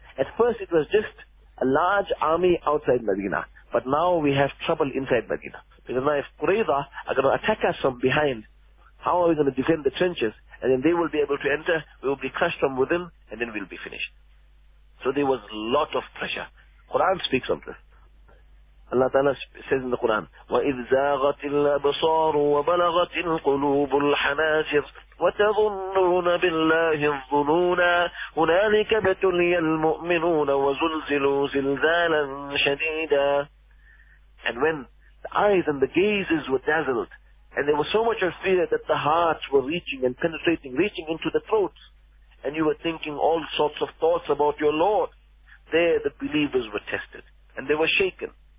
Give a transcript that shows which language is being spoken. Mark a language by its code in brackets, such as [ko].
[en] At first it was just a large army outside Medina. But now we have trouble inside Medina. Because now if Qurayza are going to attack us from behind, how are we going to defend the trenches? And then they will be able to enter, we will be crushed from within, and then we'll be finished. So there was a lot of pressure. Quran speaks of this. Allah Ta'ala says in the Quran, [ar] وَإِذْ زَاغَتِ الْأَبْصَارُ وَبَلَغَتِ الْقُلُوبُ الْحَنَاجِرُ وَتَظُنُّونَ بِاللَّهِ الظُّنُونَ هُنَالِكَ ابْتُلِيَ الْمُؤْمِنُونَ وَزُلْزِلُوا زِلْزَالًا شَدِيدًا. [en] And when the eyes and the gazes were dazzled, and there was so much of fear that the hearts were reaching and penetrating, reaching into the throats, and you were thinking all sorts of thoughts about your Lord, there the believers were tested, and they were shaken.